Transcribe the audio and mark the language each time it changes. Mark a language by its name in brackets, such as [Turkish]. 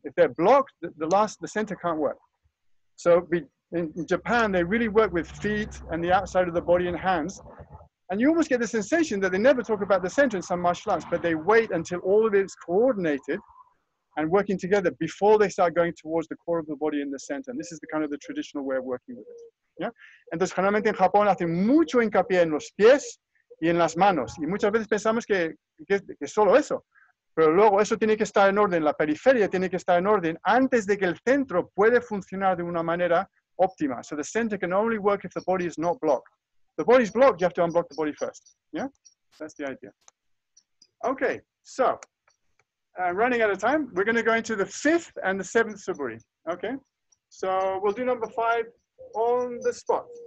[English] If they're blocked, the center can't work. So in Japan, they really work with feet and the outside of the body and hands. And you almost get the sensation that they never talk about the center in some martial arts, but they wait until all of it is coordinated and working together before they start going towards the core of the body in the center. And this is the kind of the traditional way of working with it. Yeah. [Spanish] Entonces, generalmente en Japón hacen mucho hincapié en los pies y en las manos. Y muchas veces pensamos que solo eso. Pero luego eso tiene que estar en orden. La periferia tiene que estar en orden antes de que el centro puede funcionar de una manera óptima. [English] So the center can only work if the body is not blocked. If the body is blocked, you have to unblock the body first. Yeah. That's the idea. Okay. So, running out of time, we're going to go into the fifth and the seventh suburi. Okay, so we'll do number five on the spot.